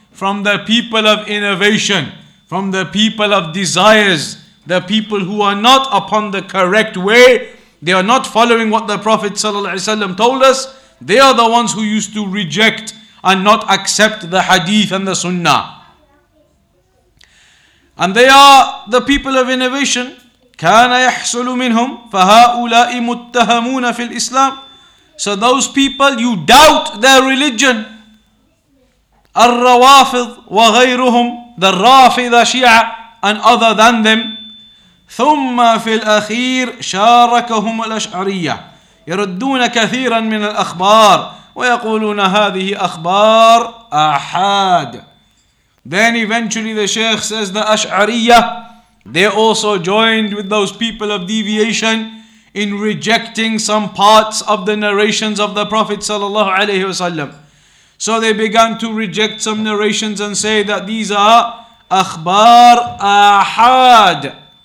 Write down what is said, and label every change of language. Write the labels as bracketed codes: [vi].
[en] From the people of innovation, from the people of desires, the people who are not upon the correct way, they are not following what the Prophet ﷺ told us, they are the ones who used to reject and not accept the hadith and the sunnah. And they are the people of innovation. [ar] كان يحصل منهم فهؤلاء متهمون في الإسلام. [en] So those people, you doubt their religion. [ar] الروافض وغيرهم, [en] the رافض شيعة, and other than them. [ar] ثم في الأخير شاركهم الأشعرية. يردون كثيرا من الأخبار ويقولون هذه أخبار أحد. [en] Then eventually the Shaykh says the أشعرية, they also joined with those people of deviation in rejecting some parts of the narrations of the Prophet sallallahu alaihi wasallam. So they began to reject some narrations and say that these are akhbar ahad.